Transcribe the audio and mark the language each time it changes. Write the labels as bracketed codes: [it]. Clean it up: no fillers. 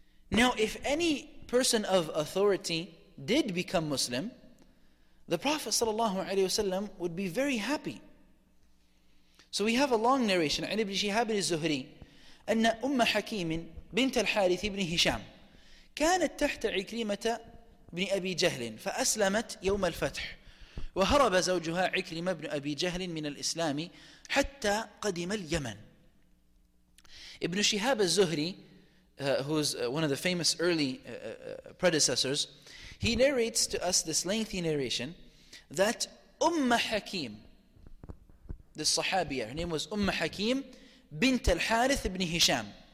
[en] Now, if any person of authority did become Muslim, the Prophet sallallahu alaihi wasallam would be very happy. So we have a long narration. [ar] عن ابن شهاب الزهري أن أم حكيم بنت الحارث بن هشام كانت تحت عكرمة بن أبي جهل فأسلمت يوم الفتح وهرب زوجها عكرمة بن أبي جهل من الإسلام حتى قدم اليمن. [en] ابن شهاب الزهري, who's one of the famous early predecessors, he narrates to us this lengthy narration that Umm Hakim, this Sahabiya, her name was Umm Hakim bint al Harith ibn Hisham.